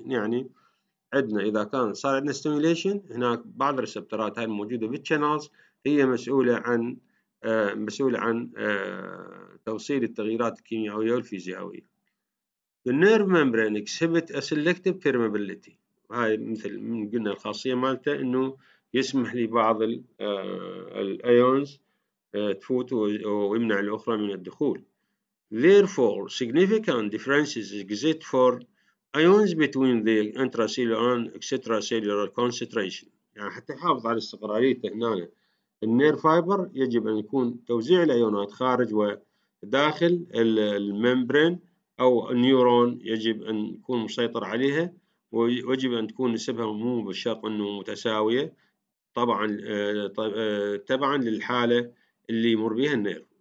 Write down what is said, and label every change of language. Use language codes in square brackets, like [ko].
[ar] يعني عندنا إذا كان صار عندنا stimulation هناك بعض الريسبترات هاي الموجودة بالشانلز هي مسؤولة عن توصيل التغييرات الكيميائية والفيزيائية. [en] The nerve membrane exhibit a selective permeability، [ar] هاي مثل من قلنا الخاصية مالته إنه يسمح لبعض الأيونز تفوت ويمنع الأخرى من الدخول. [en] Therefore significant differences exist for ions between the intracellular and extracellular concentration. [ar] يعني حتى يحافظ على استقراريته هنا النير فايبر يجب أن يكون توزيع الأيونات خارج وداخل الممبرين أو النيورون يجب أن يكون مسيطر عليها، ويجب أن تكون نسبها مو بالشرط أنه متساوية طبعاً للحالة اللي يمر بها النير.